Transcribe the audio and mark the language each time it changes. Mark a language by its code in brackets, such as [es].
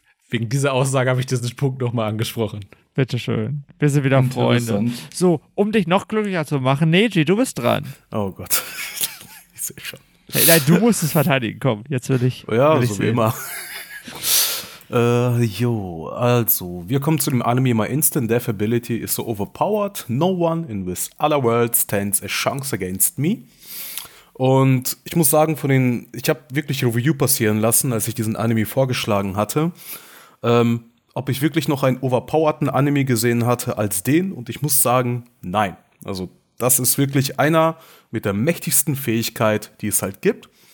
[de] Wegen dieser Aussage habe ich diesen Punkt nochmal angesprochen. Bitteschön. Wir sind wieder Freunde. So, um dich noch glücklicher zu machen, Neji, du bist dran. Oh Gott. Ich sehe schon. Hey, nein, du musst es verteidigen, komm. Jetzt will ich Ja, so wie immer. Jo, also, wir kommen zu dem Anime. [en] My instant death ability is so overpowered. No one in this other world stands a chance against me. [de] Und ich muss sagen, ich habe wirklich Review passieren lassen, als ich diesen Anime vorgeschlagen hatte, ob ich wirklich noch einen overpowerten Anime gesehen hatte als den. Und ich muss sagen, nein. Also, das ist wirklich einer mit der mächtigsten Fähigkeit, die es halt gibt.